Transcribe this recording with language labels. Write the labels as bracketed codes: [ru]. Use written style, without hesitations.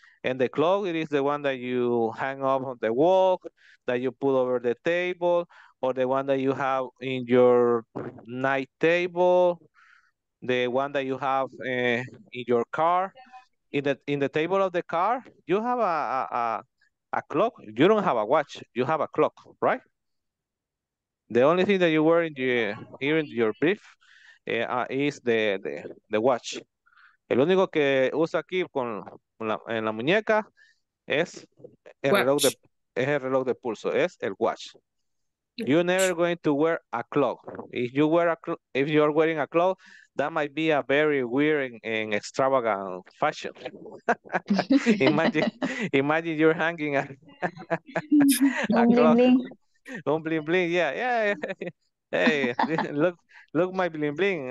[en] And the clock, it is the one that you hang up on the wall, that you put over the table, or the one that you have in your night table, the one that you have in your car. In the table of the car, you have a clock. You don't have a watch. You have a clock, right? The only thing that you wear in here in your brief is the watch. [es] El único que usa aquí con la, en la muñeca es el, reloj de, es el reloj de pulso, es el watch. [en] You're never going to wear a clock. If you wear a if you're wearing a clock, that might be a very weird and extravagant fashion. imagine you're hanging a clock. Un bling bling, yeah. Hey, look my bling bling.